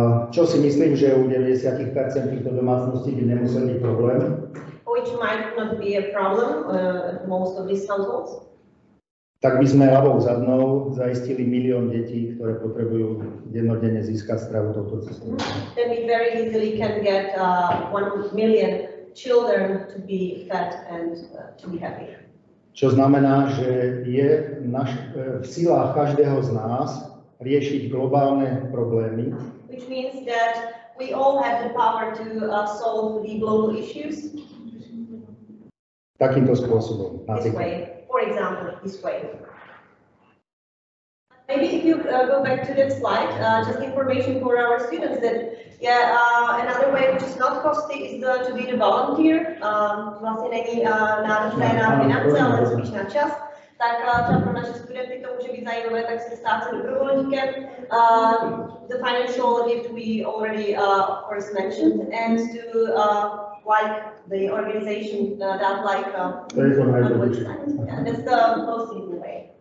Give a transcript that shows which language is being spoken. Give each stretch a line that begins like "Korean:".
Slovak: Čo si myslím, že u 90% týchto domácností by nemusel byť problém.
English: Which might not be a problem most of these households.
Slovak: Tak by sme ľavou zadnou zaistili milión detí, ktoré potrebujú dennodenne získať stravu touto cestou.
English: Then we very easily can get 1 million children to be fed and to be happy.
Slovak: Čo znamená, že je v silách každého z nás riešiť globálne problémy.
English: Which means that we all have the power to solve the global issues.
Slovak: Takýmto spôsobom.
English: This way, for example, this way. Maybe if you go back to that slide, just information for our students that another way which is not costly is to be the volunteer.
Czech: Vlastne není náročná finance, ale spíš na čas. Tak třeba pro naše studenty to může být zajímavé, tak se stát se dobrovolníkem.
English: The financial gift we already of course mentioned and to like the organization that like that's the most easy way.